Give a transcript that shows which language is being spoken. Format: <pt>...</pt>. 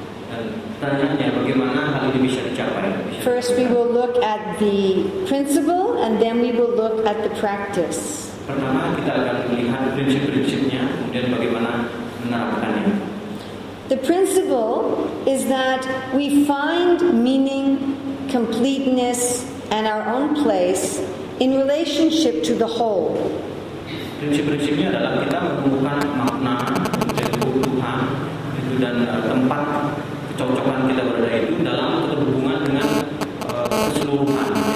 <id>Dan tanyanya bagaimana hal ini bisa dicapai?</id> <en>First, we will look at the principle, and then we will look at the practice.</en> <id>Pertama kita akan melihat prinsip-prinsipnya, kemudian bagaimana menerapkannya.</id> <en>The principle is that we find meaning, completeness, and our own place in relationship to the whole.</en> <id>Prinsip-prinsipnya adalah kita menemukan makna, keutuhan itu dan tempat kecocokan kita berada itu dalam keterhubungan dengan keseluruhan.</id>